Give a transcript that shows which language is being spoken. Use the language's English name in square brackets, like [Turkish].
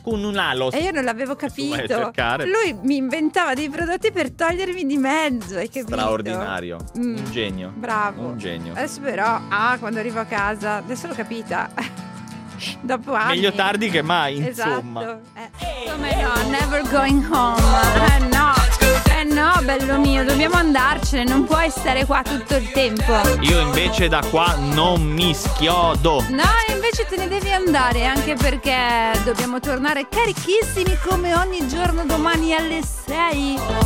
[Italian] con un alo. E io non l'avevo capito. Vai a cercare. Lui mi inventava dei prodotti per togliermi di mezzo, hai capito? Straordinario, un genio. Bravo. Un genio. Adesso però, quando arrivo a casa, adesso l'ho capita. Dopo anni. Meglio tardi che mai, insomma. Esatto. [English] Oh my God, never going home. [Italian] No. No, bello mio, dobbiamo andarcene, non puoi stare qua tutto il tempo. Io invece da qua non mi schiodo. No, invece te ne devi andare, anche perché dobbiamo tornare carichissimi come ogni giorno domani alle 6.